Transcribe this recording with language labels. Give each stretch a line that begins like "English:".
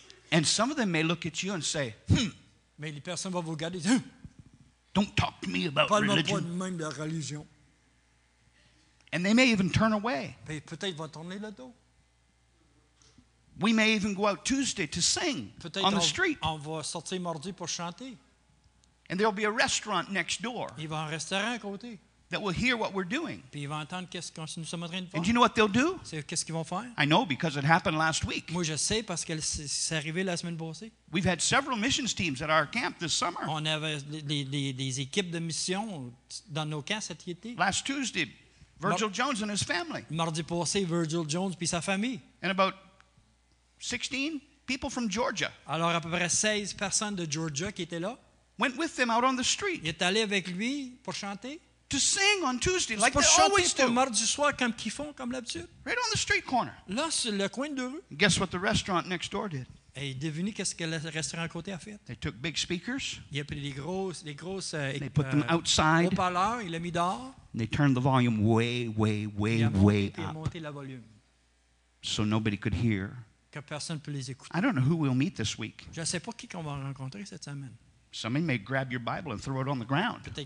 English: And some of them may look at you and say,
French: mais les personnes vont vous regarder et dire,
English: don't talk to me about religion. And they may even turn away.
French: Mais peut-être vont tourner le dos.
English: We may even go out Tuesday to sing
French: peut-être
English: on the street.
French: On va sortir mardi pour chanter.
English: And there'll be a restaurant next door.
French: Il va un restaurant à côté.
English: That will hear what we're doing.
French: Puis ils vont entendre qu'est-ce que nous sommes en train de faire.
English: And you know what they'll do?
French: C'est qu'est-ce qu'ils vont faire?
English: I know because it happened last week.
French: Moi je sais parce que c'est arrivé la semaine passée.
English: We've had several missions teams at our camp this summer.
French: On avait des équipes de mission dans nos camps cet été.
English: Last Tuesday, Virgil Jones and his family.
French: Mardi passé, Virgil Jones puis sa famille.
English: And about 16 people from Georgia.
French: Alors à peu près 16 personnes de Georgia qui étaient là.
English: Went with them out on the street.
French: Ils étaient allés avec lui pour chanter.
English: To sing on Tuesday, like they always do.
French: Mardi soir, comme qu'ils font, comme l'habitude.
English: Right on the street corner.
French: Là, sur le coin de rue.
English: Guess what the restaurant next door did?
French: Et devinez qu'est-ce que le restaurant à côté a fait?
English: They took big speakers.
French: Il a pris des grosses.
English: They put them outside.
French: Haut-parleurs, il l'a mis dehors.
English: And they turned the volume way up.
French: Il a monté le volume.
English: So nobody could hear.
French: Que personne peut les écouter.
English: I don't know who we'll meet this week.
French: Je sais pas qui qu'on va rencontrer cette semaine.
English: Somebody may grab your Bible and throw it on the ground.